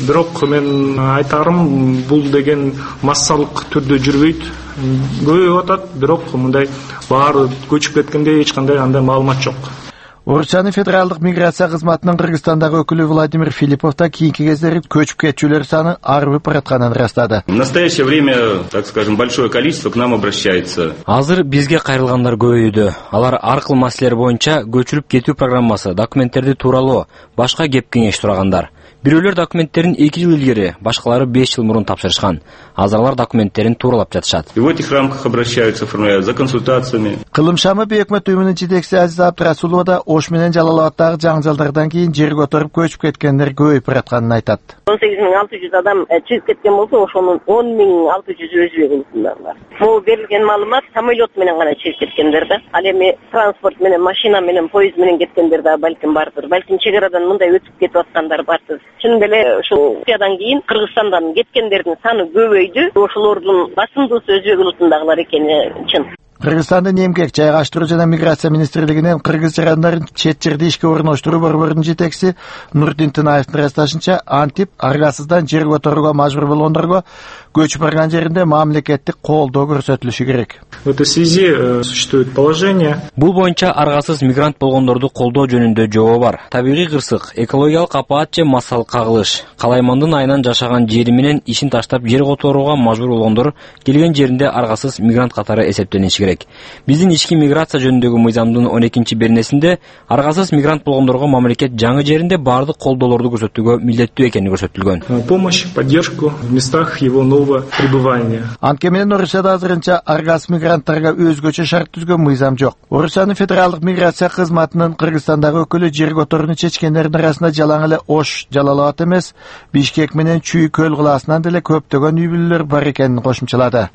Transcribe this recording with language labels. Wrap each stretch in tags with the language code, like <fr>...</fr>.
<ky>Бирок мен айтарым, бул деген массалык түрдө жүрбөйт, көбөйүп атат, бирок мындай баары көчүп кеткенде эч кандай андай маалымат жок. Орусиянын федералдык миграция кызматынын Кыргызстандагы өкүлү Владимир Филиппов да кийинки кездери көчүп кетүүлөр саны арбып баратканын ырастады.</ky> <ru>В настоящее время, так скажем, большое количество к нам обращается.</ru> <ky>Азыр бизге кайрылгандар көбөйүүдө. Алар ар кыл маселелер боюнча көчүлүп кетүү программасы, документтерди тууралоо, башка кеп кеңеш сурагандар. Бирөөлөр документтерин 2 жыл илгери, башкалары 5 жыл мурун тапшырышкан. Азырлар документтерин тууралап жатышат.</ky> <ru>И в этих рамках обращаются, формируют за консультациями.</ru> <ky>Кылым Шамып өкмөт уюмунун жетекчиси Азиз Абдрасулова да Ош менен Жалал-Абадтагы жаңжалдардан кийин жерге отуруп көчүп кеткендер көбөйүп баратканын айтат. 18600 адам чыгып кеткен болсо, ошонун 10600 өзү болгондарлар. Бул берилген маалымат самолет менен гана чыгып кеткендер да. Ал эми транспорт менен, машина менен, поезд менен кеткендер да балким бардыр. Балким чек арадан мындай өтүп кетип аткандар бар. Чын беле ушул окуядан кийин Кыргызстандан кеткендердин саны көбөйдү. Ошолордун басымдуусу өзбек улутундагылар экени чын. Кыргызстандын эмгек жайгаштыруу жана миграция министрлигинен кыргыз жарандарын чет жерде ишке орноштуруу борборунун жетекчиси Нурдин Тынаевдин ырасташынча, антип аргасыздан жер которууга мажбур болгондорго көчүп барган жеринде мамлекеттик колдоо көрсөтүлүшү керек.</ky> <ru>В этой связи существует положение.</ru> <ky>Бул боюнча аргасыз мигрант болгондорду колдоо жөнүндө жобо бар. Табигый кырсык, экологиялык апаат же массалык кагылыш, калаймандын айынан жашаган жери менен ишин таштап жер которууга мажбур болгондор келген жеринде аргасыз мигрант катары эсептелет. Керек. Биздин ички миграция жөнүндөгү мыйзамдын 12-чи беренесинде аргасыз мигрант болгондорго мамлекет жаңы жеринде бардык колдоолорду көрсөтүүгө милдеттүү экени көрсөтүлгөн.</ky> <ru>Помощь, поддержку в местах его нового пребывания.</ru> <ky>Анткени менен Орусияда азырынча аргасыз мигранттарга өзгөчө шарт түзгөн мыйзам жок. Орусиянын федералдык миграция кызматынын Кыргызстандагы өкүлү жер которууну чечкендердин арасында жалаң эле Ош, Жалал-Абад эмес, Бишкек менен Чүй көл кылаасынан деле көптөгөн үй бүлөлөр бар экенин кошумчалады.</ky>